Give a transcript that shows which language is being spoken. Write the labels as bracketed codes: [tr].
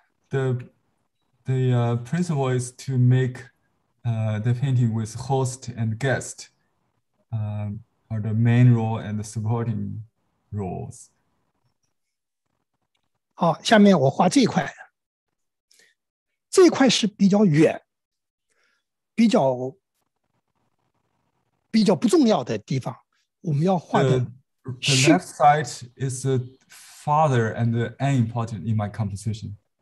[en] The principle is to make the painting with host and guest are the main role and the supporting roles. [zh] 好，下面我画这一块。这一块是比较远，比较不重要的地方，我们要画的。 [en] The left side is the farther and unimportant in my composition.